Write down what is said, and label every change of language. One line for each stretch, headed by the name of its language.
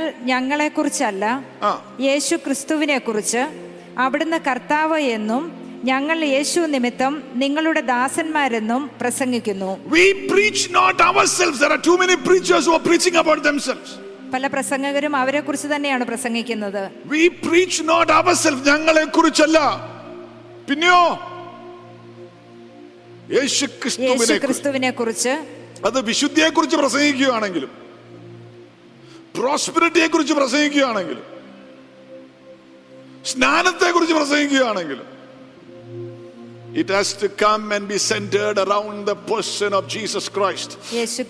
Malayalam: ഞങ്ങളെ കുറിച്ചല്ല, യേശു ക്രിസ്തുവിനെ കുറിച്ച്, അവിടുന്ന് കർത്താവ് എന്നും ഞങ്ങൾ യേശു നിമിത്തം നിങ്ങളുടെ ദാസന്മാരെന്നും പ്രസംഗിക്കുന്നു.
English: We preach not ourselves. There are too many preachers who are preaching about themselves.
Malayalam: പല പ്രസംഗകരും അവരെ കുറിച്ച് തന്നെയാണ് പ്രസംഗിക്കുന്നത്.
English: We preach not ourselves.
Malayalam: ഞങ്ങളെ കുറിച്ചല്ല, പിന്നെയോ, യേശു ക്രിസ്തുവിനെ കുറിച്ച്. അത് വിശുദ്ധിയെ കുറിച്ച് പ്രസംഗിക്കുകയാണെങ്കിലും, പ്രോസ്പെരിറ്റിയെ കുറിച്ച് പ്രസംഗിക്കുകയാണെങ്കിലും, സ്നാനത്തെ കുറിച്ച് പ്രസംഗിക്കുകയാണെങ്കിലും,
English: it has to come and be centred around the person of Jesus Christ,